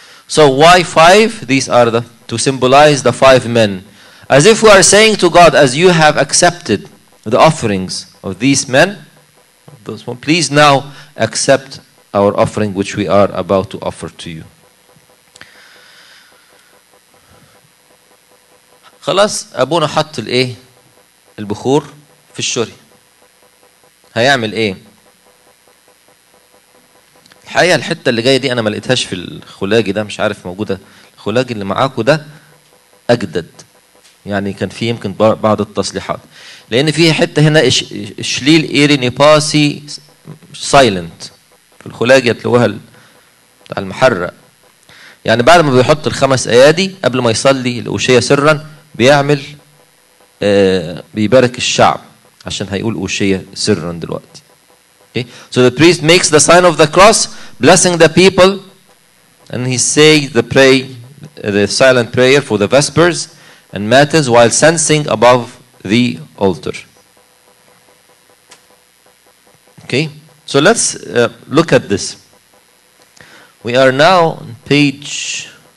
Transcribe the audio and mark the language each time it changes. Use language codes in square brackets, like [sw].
[en] So why five? These are the to symbolize the five men. As if we are saying to God, as you have accepted the offerings of these men, please now accept our offering which we are about to offer to you. [ar] خلاص ابونا حط الايه البخور في الشوري هيعمل ايه الحقيقه الحته اللي جايه دي انا ما لقيتهاش في الخلاجي ده مش عارف موجوده الخلاجي اللي معاكم ده اجدد يعني كان فيه يمكن بعض التصليحات لان فيه حته هنا شليل ايري نيباسي سايلنت في الخلاجي هتلاقوها بتاع المحرق يعني بعد ما بيحط الخمس ايادي قبل ما يصلي الاوشيا سرا بيعمل بيبارك الشعب عشان هيقول أوشية سرا دلوقتي. [en] Okay. So the priest makes the sign of the cross, blessing the people, and he says the silent prayer for the vespers and matins while sensing above the altar. Okay. So let's look at this. We are now on page.